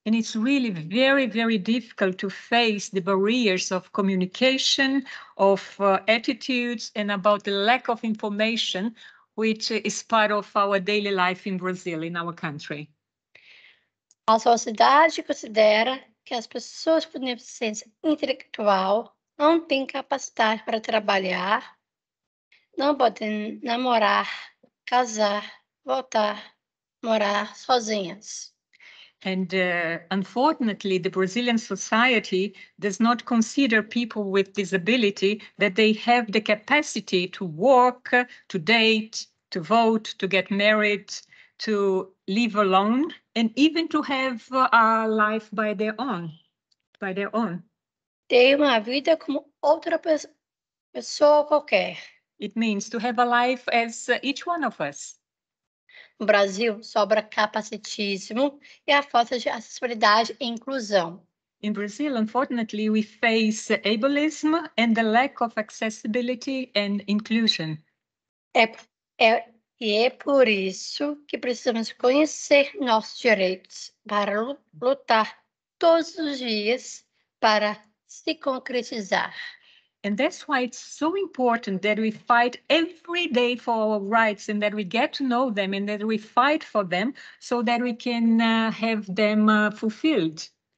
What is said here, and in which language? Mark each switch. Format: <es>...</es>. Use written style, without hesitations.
<en>And it's really very, very difficult to face the barriers of communication, of attitudes, and about the lack of information, which is part of our daily life in Brazil, in our country.</en> <pt>A sociedade considera que as pessoas com deficiência intelectual não têm capacidade para trabalhar, não podem namorar, casar, voltar, morar sozinhas.</pt> <en>And unfortunately, the Brazilian society does not consider people with disability that they have the capacity to work, to date, to vote, to get married, to live alone, and even to have a life by their own.</en> <pt>Ter uma vida como outra pessoa qualquer.</pt> <en>It means to have a life as each one of us.</en> <pt>No Brasil, sobra capacitismo e a falta de acessibilidade e inclusão.</pt> <en>In Brazil, unfortunately, we face ableism and the lack of accessibility and inclusion.</en> <pt>E é por isso que precisamos conhecer nossos direitos para lutar todos os dias para se concretizar.</pt> <en>And that's why it's so important that we fight every day for our rights and that we get to know them and that we fight for them so that we can have them fulfilled.</en>